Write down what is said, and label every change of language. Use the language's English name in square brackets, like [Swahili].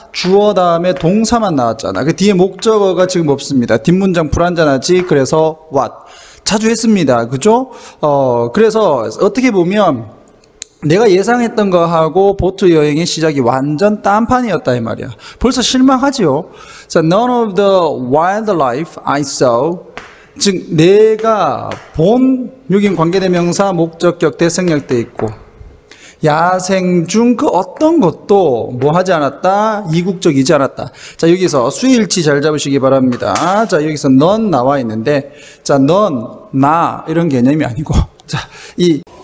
[Korean] 주어 다음에 동사만 나왔잖아. 그 뒤에 목적어가 지금 없습니다. 뒷문장 불완전하지. 그래서 what. 자주 했습니다. 그죠? 그래서 어떻게 보면 내가 예상했던 거하고 보트 여행의 시작이 완전 딴판이었다 이 말이야. 벌써 실망하지요. [English] So none of the wildlife I saw. [Korean] 즉 내가 본, 여긴 관계대명사 목적격 대생략돼 있고, 야생 중 그 어떤 것도 뭐 하지 않았다? 이국적이지 않았다. 자, 여기서 수일치 잘 잡으시기 바랍니다. 자, 여기서 넌 나와 있는데, 자, 넌, 나 이런 개념이 아니고, 자, 이